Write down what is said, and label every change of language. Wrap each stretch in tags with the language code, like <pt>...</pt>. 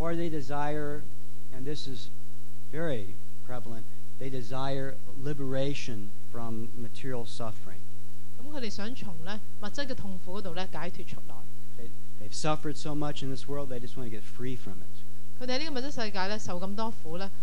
<en>Or they desire, and this is very prevalent, they desire liberation from material suffering.</en> <yue>咁佢哋想從咧物質嘅痛苦嗰度咧解脱出來。</yue> <en>They've suffered so much in this world, they just want to get free from it.</en> <yue>佢哋喺呢個物質世界咧受咁多苦咧。</yue>